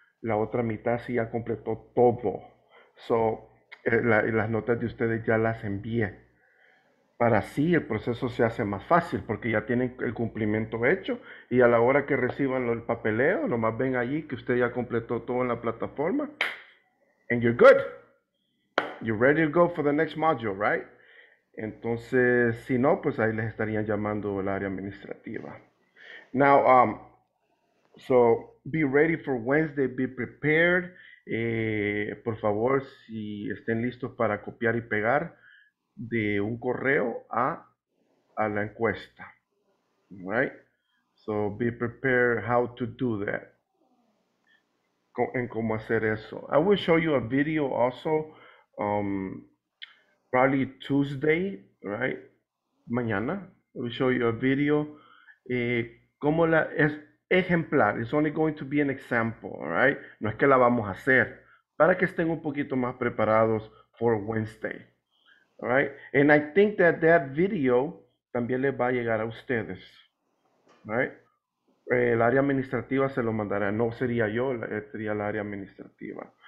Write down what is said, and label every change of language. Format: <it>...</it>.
<es>La otra mitad sí ya completó todo. So, las notas de ustedes ya las envié. Para así el proceso se hace más fácil, porque ya tienen el cumplimiento hecho. Y a la hora que reciban el papeleo, nomás ven allí que usted ya completó todo en la plataforma.</es> <en>And you're good. You're ready to go for the next module, right?</en> <es>Entonces, si no, pues ahí les estarían llamando el área administrativa.</es> <en>Now, so be ready for Wednesday, be prepared.</en> <es>Por favor, si estén listos para copiar y pegar de un correo a la encuesta.</es> <en>Right? So be prepared how to do that.</en> <es>En cómo hacer eso.</es> <en>I will show you a video also. Probably Tuesday, right? Mañana. I will show you a video.</en> <es>Cómo la es.</es> <en>Ejemplar, it's only going to be an example, right?</en> <es>No es que la vamos a hacer, para que estén un poquito más preparados</es> <en>for Wednesday, right? And I think that video</en> <es>también les va a llegar a ustedes, right? El área administrativa se lo mandará, no sería yo, sería el área administrativa.</es>